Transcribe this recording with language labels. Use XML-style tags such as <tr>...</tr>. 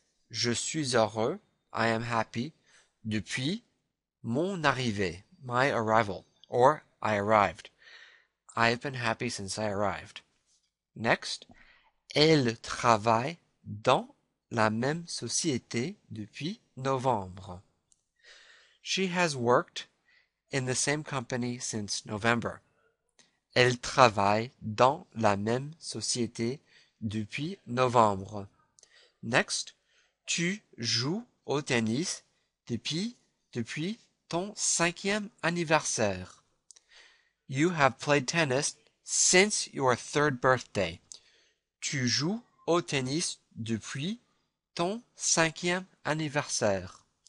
<fr>Je suis heureux,</fr> <en>I am happy,</en> <fr>depuis mon arrivée,</fr> <en>my arrival, or I arrived. I have been happy since I arrived. Next,</en> <fr>elle travaille dans la même société depuis novembre.</fr> <en>She has worked in the same company since November.</en> <fr>Elle travaille dans la même société depuis novembre. Next, tu joues au tennis depuis ton cinquième anniversaire.</fr> <en>You have played tennis since your third birthday.</en> <fr>Tu joues au tennis depuis ton cinquième anniversaire.</fr>